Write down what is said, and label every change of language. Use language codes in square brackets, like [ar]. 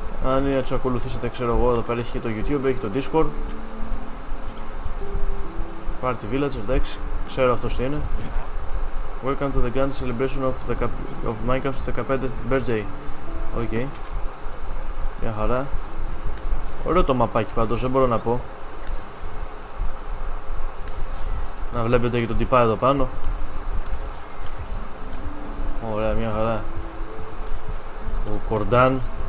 [el] Αν είναι έτσι ακολουθήσατε, ξέρω εγώ, εδώ πέρα έχει και το YouTube, έχει το Discord. Party Village, εντάξει, ξέρω αυτός τι είναι. [en] Welcome to the grand celebration of the of Minecraft's 15th birthday. [el] Οκ. Okay. Μια χαρά. Ωραίο το μαπάκι πάντως, δεν μπορώ να πω. Να βλέπετε και τον τυπά εδώ πάνω. Ωραία, μια χαρά. Ο Κορντάν.